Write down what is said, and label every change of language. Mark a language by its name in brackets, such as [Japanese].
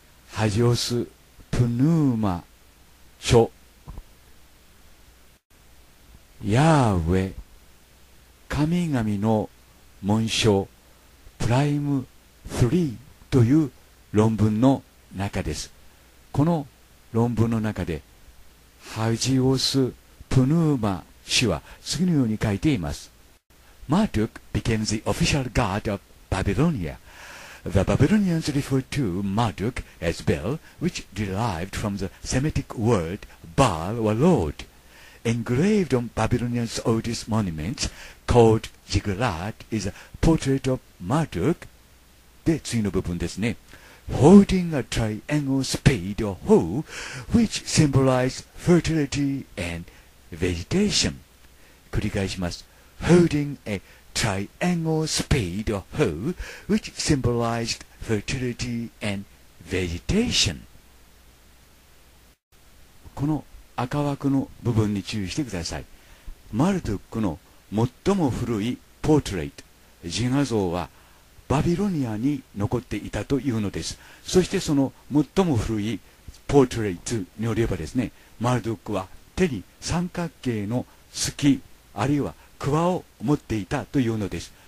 [Japanese] ハジオス・プヌーマ著、ヤーウェ、神々の紋章プライム3という論文の中です。この論文の中でハジオス・プヌーマ氏は次のように書いています。 [English] Marduk became the official god of Babylonia. The Babylonians referred to Marduk as Bel, which derived from the Semitic word Baal or Lord. Engraved on Babylonians' oldest monuments, called Ziggurat, is a portrait of Marduk. [Japanese] で、次の部分ですね。 [English] Holding a triangle spade or hoe, which symbolizes fertility and vegetation. [Japanese] 繰り返します。 [English] Holding a triangle spade or hoe, which symbolizes fertility and vegetation. [Japanese] この赤枠の部分に注意してください。マルドックの最も古いポートレート、自画像はバビロニアに残っていたというのです。そしてその最も古いポートレイトによればですね、マルドックは手に三角形の鋤あるいはクワを持っていたというのです。